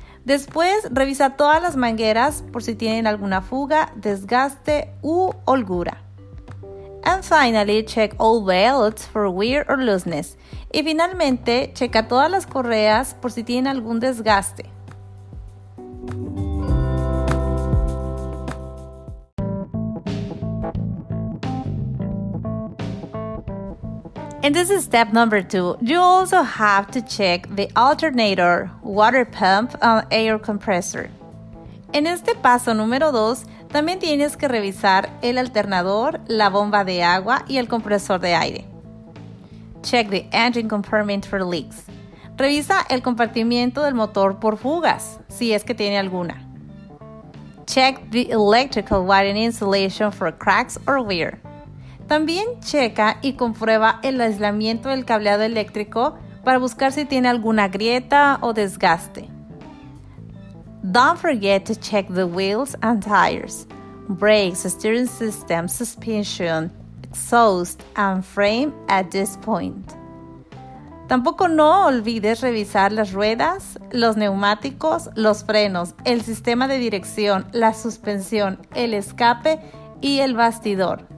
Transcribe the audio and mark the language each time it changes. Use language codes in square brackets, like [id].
[es] Después revisa todas las mangueras por si tienen alguna fuga, desgaste u holgura. [en] And finally, check all belts for wear or looseness. [es] Y finalmente, checa todas las correas por si tienen algún desgaste. [en] And this is step number 2. You also have to check the alternator, water pump, and air compressor. [es] En este paso número 2, también tienes que revisar el alternador, la bomba de agua y el compresor de aire. [en] Check the engine compartment for leaks. [es] Revisa el compartimiento del motor por fugas, si es que tiene alguna. [en] Check the electrical wiring insulation for cracks or wear. [es] También checa y comprueba el aislamiento del cableado eléctrico para buscar si tiene alguna grieta o desgaste. [en] Don't forget to check the wheels and tires, brakes, steering system, suspension, exhaust, and frame at this point. [es] Tampoco no olvides revisar las ruedas, los neumáticos, los frenos, el sistema de dirección, la suspensión, el escape y el bastidor.